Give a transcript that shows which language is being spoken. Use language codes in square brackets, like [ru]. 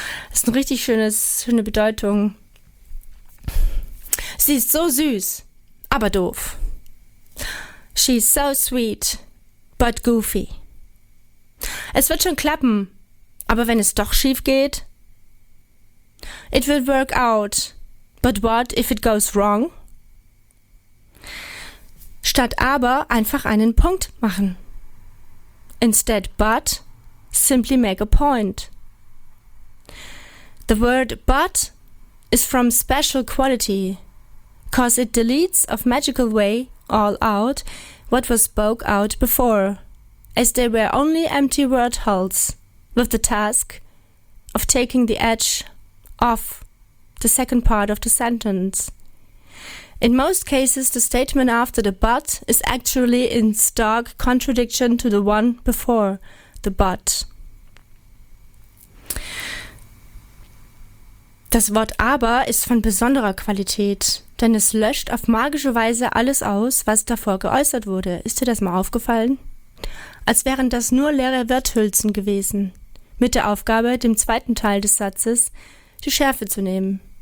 [de] Das ist eine richtig schöne Bedeutung. Sie ist so süß, aber doof. [en] She's so sweet, but goofy. [de] Es wird schon klappen, aber wenn es doch schief geht? [en] It will work out, but what if it goes wrong? [de] Statt aber einfach einen Punkt machen. [en] Instead but, simply make a point. The word but is from special quality, cause it deletes of magical way all out what was spoke out before, as they were only empty word holes, with the task of taking the edge off the second part of the sentence. In most cases, the statement after the but is actually in stark contradiction to the one before the but. [de] Das Wort aber ist von besonderer Qualität, denn es löscht auf magische Weise alles aus, was davor geäußert wurde. Ist dir das mal aufgefallen? Als wären das nur leere Worthülsen gewesen, mit der Aufgabe, dem zweiten Teil des Satzes die Schärfe zu nehmen.